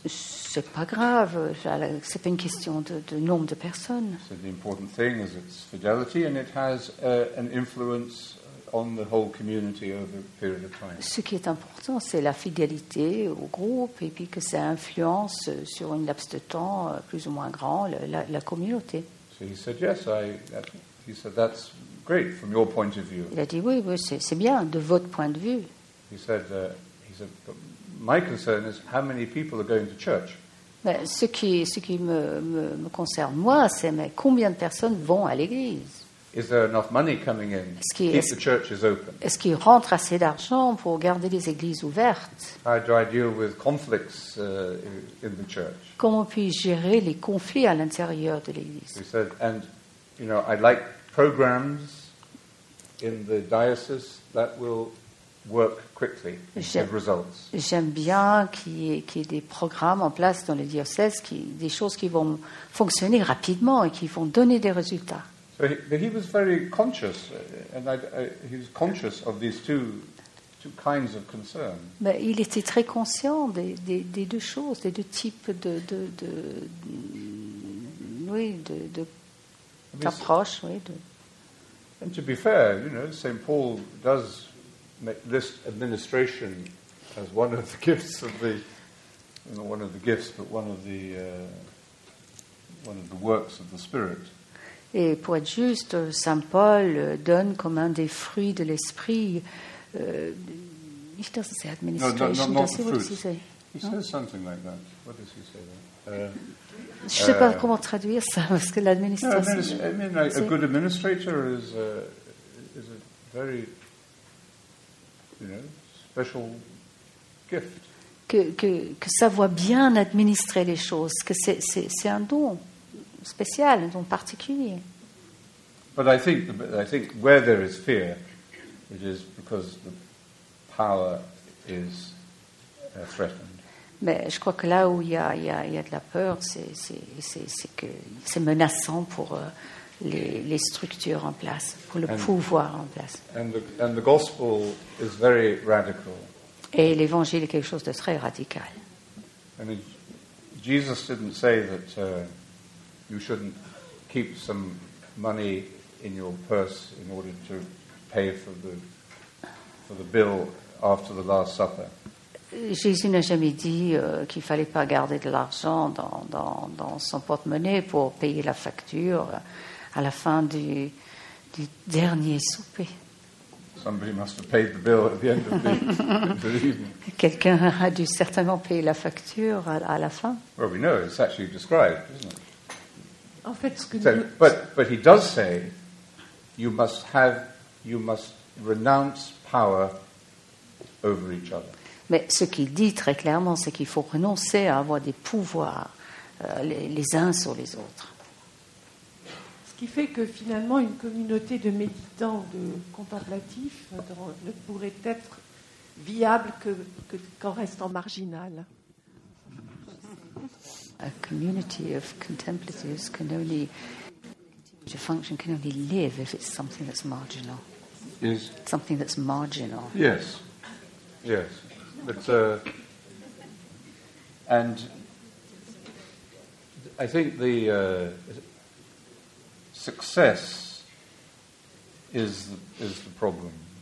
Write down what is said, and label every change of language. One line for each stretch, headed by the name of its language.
French: C'est pas grave, c'est pas une question de nombre de personnes.
English: So the important thing is its fidelity, and it has an influence on the whole community over a period of time.
French: Ce qui est important, c'est la fidélité au groupe et puis que ça influence sur une laps de temps plus ou moins grand la communauté.
English: So he said, yes, he said, that's great from your point of view.
French: Il a dit, oui, c'est bien de votre point de vue.
English: He said, but my concern is how many people are going to church.
French: Mais ce qui me concerne, moi, c'est mais combien de personnes vont à l'église.
English: Is there enough money coming in? Keep the churches open.
French: Est-ce qu'il rentre assez d'argent pour garder les églises ouvertes?
English: How do I deal with conflicts in the church?
French: Comment puis-je gérer les conflits à l'intérieur de l'église?
English: He said, and you know, I'd like programs in the diocese that will work quickly and give results.
French: J'aime bien qu'il y ait des programmes en place dans le diocèse, des choses qui vont fonctionner rapidement et qui vont donner des résultats.
English: But he was very conscious, and he was conscious of these two kinds of concern.
French: Mais il était très conscient des deux choses, des deux types d'approches, oui.
English: And to be fair, you know, Saint Paul does list administration as one of the gifts of the, you know, one of the gifts, but one of the works of the Spirit.
French: Et pour être juste, Saint Paul donne comme un des fruits de l'esprit.
English: He doesn't say administration. No, not the fruits. He says something like that. What does he say there?
French: Je ne sais pas comment traduire ça parce que l'administration.
English: No, a good administrator is a very, you know, special gift.
French: Que savoir bien administrer les choses, que c'est un don. spécial, donc particulier.
English: But I think where there is fear, it is because the power is threatened.
French: Mais je crois que là où il y a de la peur, c'est que c'est menaçant pour les structures en place, pour le pouvoir en place.
English: And the gospel is very radical.
French: Et l'évangile est quelque chose de très radical.
English: I mean, Jesus didn't say that you shouldn't keep some money in your purse in order to pay for the bill after the Last Supper.
French: Jésus n'a jamais dit qu'il fallait pas garder de l'argent dans son porte-monnaie pour payer la facture à la fin du dernier souper.
English: Somebody must have paid the bill at the end of the evening.
French: Quelqu'un a dû certainement payer la facture à la fin.
English: Well, we know it's actually described, isn't it?
French: En fait, ce que so, nous...
English: but he does say, you must renounce power over each other.
French: Mais ce qu'il dit très clairement, c'est qu'il faut renoncer à avoir des pouvoirs les uns sur les autres. Ce qui fait que finalement, une communauté de méditants, de contemplatifs, ne pourrait être viable que qu'en restant marginal.
English: A community of contemplatives can only live if it's something that's marginal. Yes. Something that's marginal. Yes. Yes. But and I think the success is the problem.